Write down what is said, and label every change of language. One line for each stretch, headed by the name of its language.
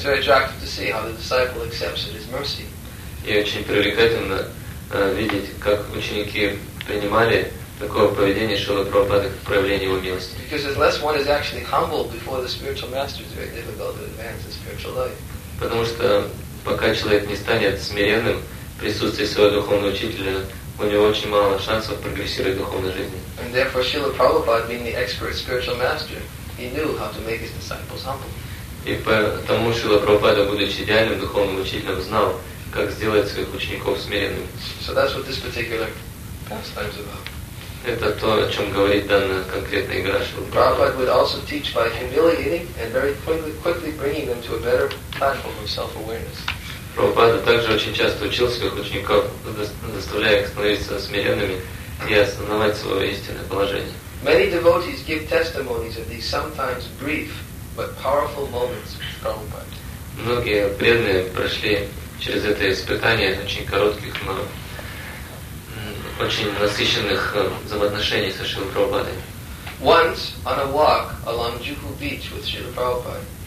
English: It's very attractive to see how the disciple accepts his mercy.
Russian: И очень привлекательно видеть, как ученики принимали такое поведение Шрила Прабхупады как проявление его милости.
English: Because unless one is actually humbled before the spiritual master, it's very difficult to advance in spiritual life.
Russian: Потому что пока человек не станет смиренным в присутствии своего духовного учителя, у него очень мало шансов прогрессировать в духовной жизни.
English: And therefore, Srila Prabhupada, being the expert spiritual master, he knew how to make his disciples humble.
Russian: И потому Шрила Прабхупада, будучи идеальным духовным учителем, знал, как сделать своих учеников смиренными.
English: So that's what this particular pastime is about.
Russian: Это то, о чем говорит данная конкретная игра Шрила Прабхупада.
English: Prabhupada would also teach by humiliating and very quickly bringing them to a better platform of self-awareness.
Russian: Прабхупада также очень часто учил своих учеников, заставляя их становиться смиренными и осознавать свое истинное положение.
English: Many devotees give testimonies of these sometimes brief but powerful moments with Prabhupada.
Russian: Многие преданные прошли через это испытание очень коротких, но очень насыщенных взаимоотношений со Шрилой Прабхупадой.
English: Once on a walk along Juhu Beach with Srila Prabhupada.